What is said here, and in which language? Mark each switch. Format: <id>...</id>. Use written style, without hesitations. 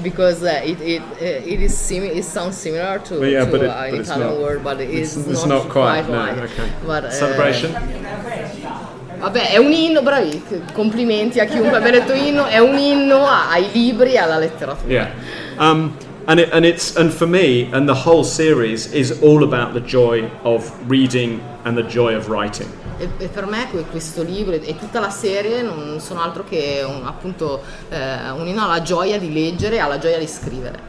<en>Because it sounds similar to an Italian word, but it's not quite. No, right. Okay. But, celebration.</en> <it>Vabbè, è un inno, bravi, complimenti a chiunque abbia letto inno, è un inno ai libri e alla letteratura.</it> <en>Yeah. And for me, and the whole series is all about the joy of reading and the joy of writing.</en> <it>E per me questo libro e tutta la serie non sono altro che un inno alla gioia di leggere e alla gioia di scrivere.</it>